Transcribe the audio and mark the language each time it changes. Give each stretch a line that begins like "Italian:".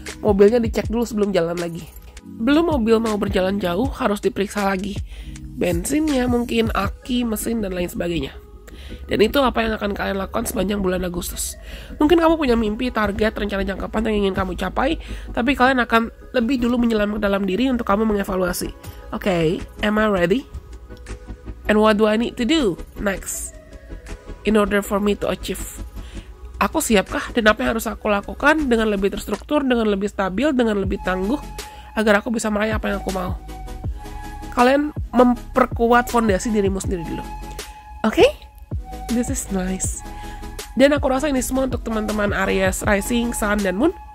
Indonesian: Mobilnya dicek dulu sebelum jalan lagi. Belum mobil mau berjalan jauh, harus diperiksa lagi. Bensinnya mungkin, aki, mesin, dan lain sebagainya. Dan itu apa yang akan kalian lakukan sepanjang bulan Agustus. Mungkin kamu punya mimpi, target, rencana jangka panjang yang ingin kamu capai, tapi kalian akan lebih dulu menyelam ke dalam diri untuk kamu mengevaluasi.
English: Okay, am I ready? And what do I need to do next in order for me to achieve?
Indonesian: Aku siapkah dan apa yang harus aku lakukan dengan lebih terstruktur, dengan lebih stabil, dengan lebih tangguh agar aku bisa meraih apa yang aku mau? Kalian memperkuat fondasi dirimu sendiri dulu. Okay?
English: This is nice.
Indonesian: Dan aku rasa ini semua untuk teman-teman Aries, Rising, Sun, dan Moon.